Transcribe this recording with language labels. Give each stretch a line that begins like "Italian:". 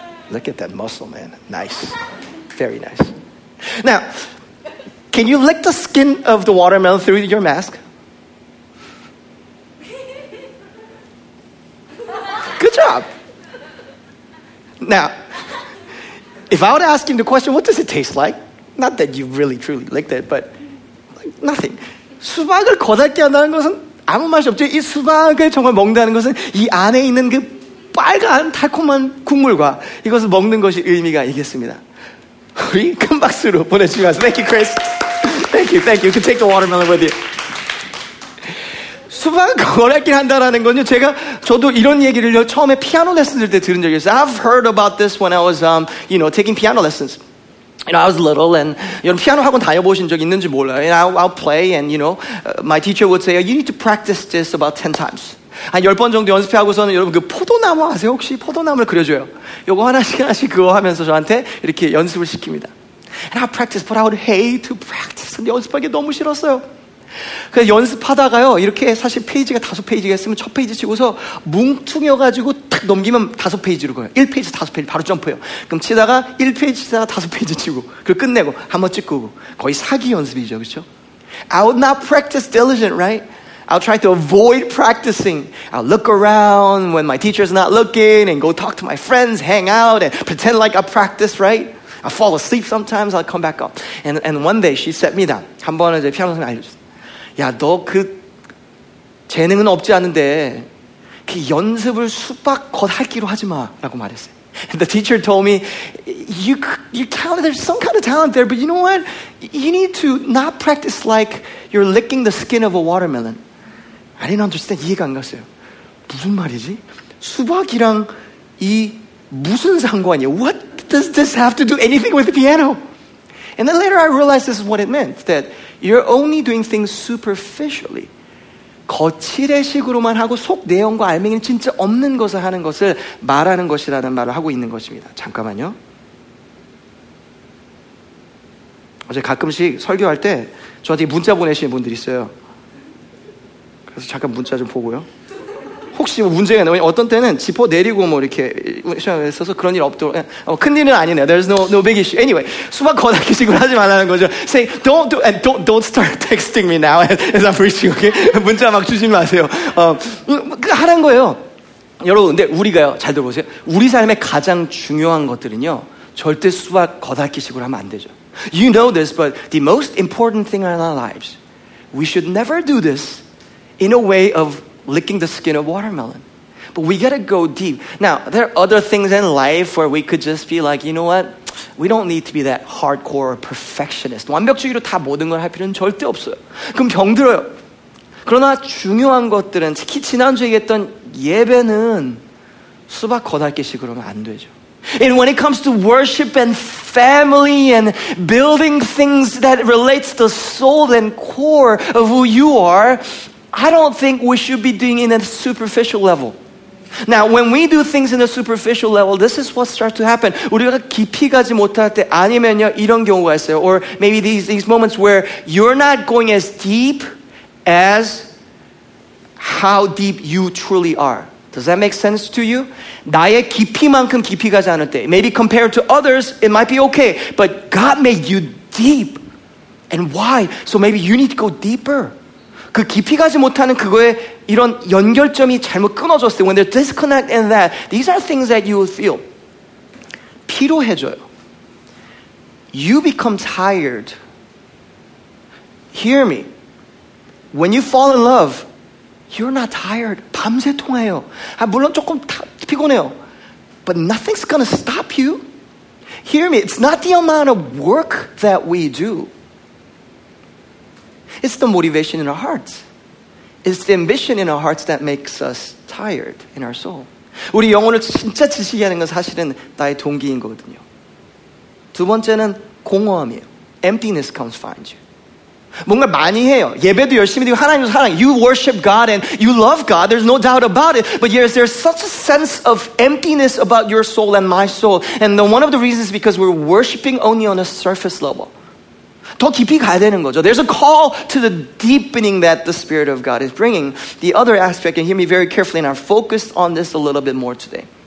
English: Look at that muscle, man. Nice. Very nice. Now, can you lick the skin of the watermelon through your mask?
Korean: 그렇죠?
English: Now, if I were to ask him the question, what does it taste like? Not that you really truly licked it, but nothing.
Korean: 수박을 겉핥기 한다는 것은 아무 맛이 없죠. 이 수박을 정말 먹는다는 것은 이 안에 있는 그 빨간 달콤한 국물과 이것을 먹는 것이 의미가 있겠습니다. 우리 큰 박수로 보내주시면서
English: Thank you, Chris. Thank you, thank you. You can take the watermelon with you.
Korean: 수박을 겉핥기 한다는 건요. 제가 저도 이런 얘기를요. 처음에 피아노 레슨들 때 들은 적이 있어요.
English: I've heard about this when I was, you know, taking piano lessons. You know, I was little and, you know,
Korean: 피아노 학원 다녀보신 적 있는지 몰라요.
English: And I'll play and, you know, my teacher would say, you need to practice this about 10 times.
Korean: 한 10번 정도 연습해하고서는 여러분 그 포도나무 아세요? 혹시 포도나무를 그려줘요. 요거 하나씩 하나씩 그거 하면서 저한테 이렇게 연습을 시킵니다.
English: And I practice, but I would hate to practice.
Korean: 근데 연습하기 너무 싫었어요. 그래서 연습하다가요, 이렇게 사실 페이지가 다섯 페이지가 있으면 첫 페이지 치고서 뭉퉁여가지고 탁 넘기면 다섯 페이지로 가요. 1페이지, 다섯 페이지, 바로 점프해요. 그럼 치다가 1페이지 치다가 다섯 페이지 치고, 그리고 끝내고, 한번 찍고, 거의 사기 연습이죠, 그쵸?
English: I would not practice diligent, right? I'll try to avoid practicing. I'll look around when my teacher's not looking and go talk to my friends, hang out, and pretend like I practice, right? I fall asleep sometimes, I'll come back up. And one day she set me down.
Korean: 한 번은 이제 피아노 선생님 알려줬어요. 야, 너 그 재능은 없지 않은데 그 연습을 수박 겉 핥기로 하지 마라고 말했어요.
English: And the teacher told me, you're talented, there's some kind of talent there, but you know what? You need to not practice like you're licking the skin of a watermelon. I didn't understand.
Korean: 이해가 안 갔어요. 무슨 말이지? 수박이랑 이 무슨 상관이야?
English: What does this have to do anything with the piano? And then later I realized this is what it meant, that you're only doing things superficially.
Korean: 거칠의식으로만 하고 속 내용과 알맹이는 진짜 없는 것을 하는 것을 말하는 것이라는 말을 하고 있는 것입니다. 잠깐만요. 어제 가끔씩 설교할 때 저한테 문자 보내시는 분들이 있어요. 그래서 잠깐 문자 좀 보고요. 혹시 뭐 문제가 있나요? 어떤 때는 지퍼 내리고 뭐 이렇게 있어서 그런 일 없도록 큰일은 아니네요.
English: There's no big issue. Anyway,
Korean: 수박 겉핥기 식으로 하지 말라는 거죠.
English: Say, don't start texting me now as I'm preaching, okay?
Korean: 문자 막 주지 마세요. 하라는 거예요. 여러분, 근데 우리가요, 잘 들어보세요. 우리 삶의 가장 중요한 것들은요, 절대 수박 겉핥기 식으로 하면 안 되죠.
English: You know this, but the most important thing in our lives, we should never do this in a way of licking the skin of watermelon. But we gotta go deep. Now, there are other things in life where we could just be like, you know what? We don't need to be that hardcore perfectionist.
Korean: 완벽주의로 다 모든 걸 할 필요는 절대 없어요. 그럼 병들어요. 그러나 중요한 것들은, 특히 지난주에 얘기했던 예배는 수박 겉핥기식으로는 안 되죠.
English: And when it comes to worship and family and building things that relates the soul and core of who you are, I don't think we should be doing it in a superficial level. Now, when we do things in a superficial level, this is what starts to happen.
Korean: 우리가 깊이 가지 못할 때 아니면요, 이런 경우가 있어요.
English: Or maybe these moments where you're not going as deep as how deep you truly are. Does that make sense to you?
Korean: 나의 깊이만큼 깊이 가지 않을 때.
English: Maybe compared to others, it might be okay. But God made you deep. And why? So maybe you need to go deeper.
Korean: 그 깊이 가지 못하는 그거에 이런 연결점이 잘못 끊어졌을 때
English: when there's disconnect in that, these are things that you will feel.
Korean: 피로해져요.
English: You become tired. Hear me. When you fall in love, you're not tired.
Korean: 밤새 통화해요. 아, 물론 조금 피곤해요.
English: But nothing's gonna stop you. Hear me. It's not the amount of work that we do. It's the motivation in our hearts. It's the ambition in our hearts that makes us tired in our soul.
Korean: 우리 영혼을 진짜 지치게 하는 건 사실은 나의 동기인 거거든요. 두 번째는 공허함이에요.
English: Emptiness comes find you.
Korean: 뭔가 많이 해요. 예배도 열심히 드리고 하나님을 사랑해.
English: You worship God and you love God. There's no doubt about it. But yes, there's such a sense of emptiness about your soul and my soul. And the, one of the reasons is because we're worshiping only on a surface level.
Korean: 더 깊이 가야 되는 거죠.
English: There's a call to the deepening that the Spirit of God is bringing. The other aspect, and hear me very carefully, and I'm focused on this a little bit more today.